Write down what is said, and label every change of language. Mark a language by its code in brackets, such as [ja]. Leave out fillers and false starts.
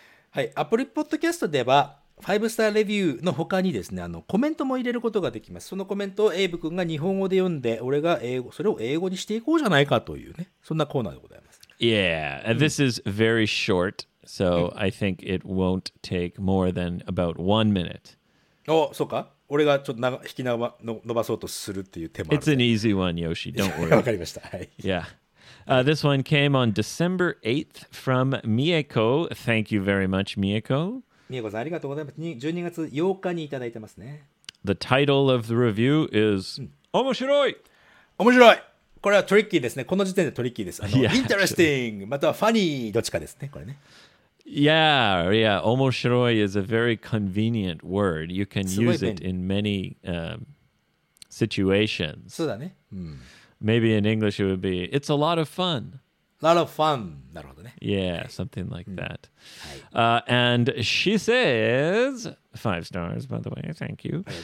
[ja] はい、Apple Podcast では5 star review の他にですね、あのコメントも入れることができます。そのコメントをエイブ君が日本語で読んで、俺が英語、それを英語にしていこうじゃないかというね、そんなコーナーでございます。 [en] Yeah, this is very short. So I think it won't take more than about 1 minute. Oh, [ja] そうか。俺がちょっと引き伸ばそうとするっていう手もある。 [en] It's an easy one, Yoshi. Don't worry. [ja] わかりました。はい。 [en] Yeah. This one came on December 8th from Mieko. Thank you very much, Mieko. [ja] Mieko さん、ありがとうございます。12月8日にいただいてますね。 [en] The title of the review is [ja] 面白い。面白い。これはトリッキーですね。この時点でトリッキーです。あの、 [en] yeah, interesting、actually. [ja] またはファニーどっちかですね。これね。 [en] Yeah, yeah. 面白い is a very convenient word. You can use it in many situations. [ja] そうだね。 [en] Maybe in English it would be, it's a lot of fun. A lot of fun. [ja] なるほどね。 [en] Yeah, something like that. And she says, 5 stars, by the way, thank you.